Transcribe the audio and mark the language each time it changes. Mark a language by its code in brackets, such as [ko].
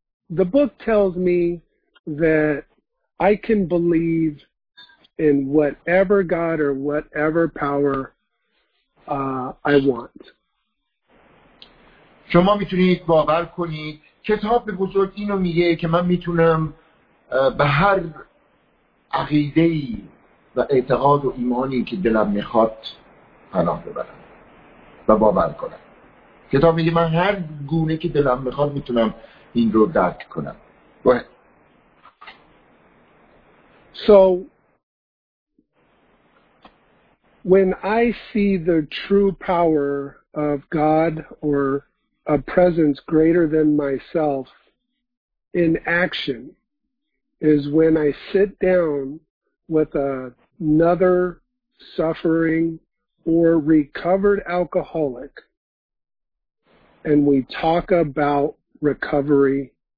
[en] the book tells me that I can believe in whatever God or whatever power I want. [fa] شما میتونید باور کنید کتاب به بزرگ اینو میگه که من میتونم به هر عقیده‌ای و اعتقاد و ایمانی که دلم میخواد پناه ببرم و باور کنم. کتاب میگه من هر گونه که دلم میخواد میتونم این رو درک کنم. [en] Go ahead. So when I see the true power of God or a presence greater than myself in action is when I sit down with another suffering or recovered alcoholic and we talk about recovery.